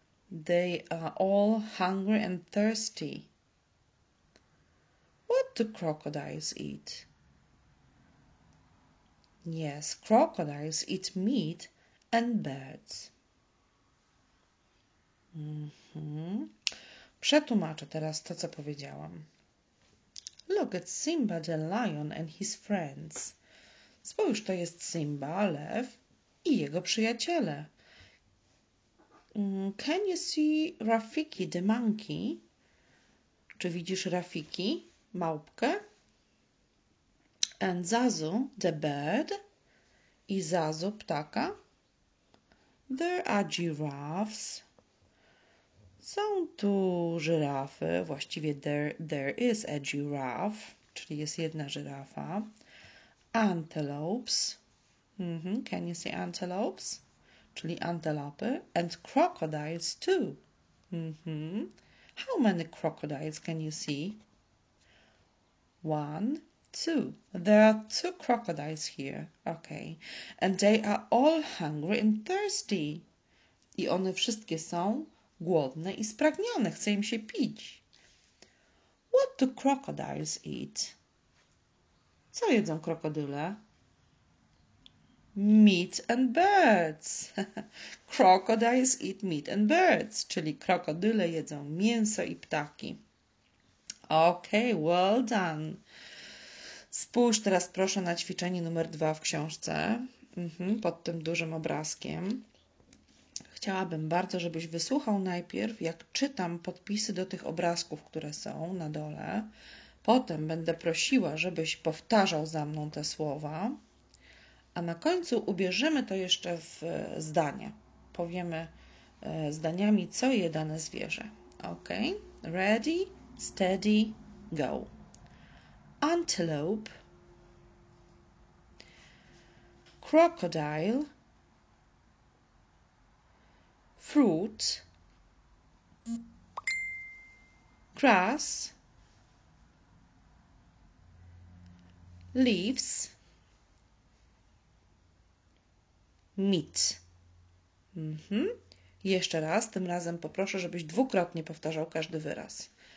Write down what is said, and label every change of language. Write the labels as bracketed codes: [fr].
[en] They are all hungry and thirsty. What do crocodiles eat? Yes, crocodiles eat meat and birds. [pl] Przetłumaczę teraz to, co powiedziałam. [en] Look at Simba the lion and his friends. [pl] Spójrz, to jest Simba, lew i jego przyjaciele. [en] Can you see Rafiki the monkey? [pl] Czy widzisz Rafiki, małpkę? [en] And Zazu the bird? [pl] I Zazu, ptaka. [en] There are giraffes. [pl] Są tu żyrafy. Właściwie [en] there is a giraffe. [pl] Czyli jest jedna żyrafa. [en] Antelopes. Can you see antelopes? [pl] Czyli antelopy. [en] And crocodiles too. How many crocodiles can you see? One. Two. There are two crocodiles here. Okay. And they are all hungry and thirsty. [pl] I one wszystkie są głodne i spragnione. Chce im się pić. [en] What do crocodiles eat? [pl] Co jedzą krokodyle? [en] Meat and birds. Crocodiles eat meat and birds. [pl] Czyli krokodyle jedzą mięso i ptaki. [en] Okay, well done. [pl] Spójrz teraz proszę na ćwiczenie numer 2 w książce, pod tym dużym obrazkiem. Chciałabym bardzo, żebyś wysłuchał najpierw, jak czytam podpisy do tych obrazków, które są na dole. Potem będę prosiła, żebyś powtarzał za mną te słowa. A na końcu ubierzemy to jeszcze w zdanie. Powiemy zdaniami, co je dane zwierzę. [en] Ok? Ready, steady, go. Antelope, crocodile, fruit, grass, leaves, meat. [pl] Jeszcze raz, tym razem poproszę, żebyś dwukrotnie powtarzał każdy wyraz.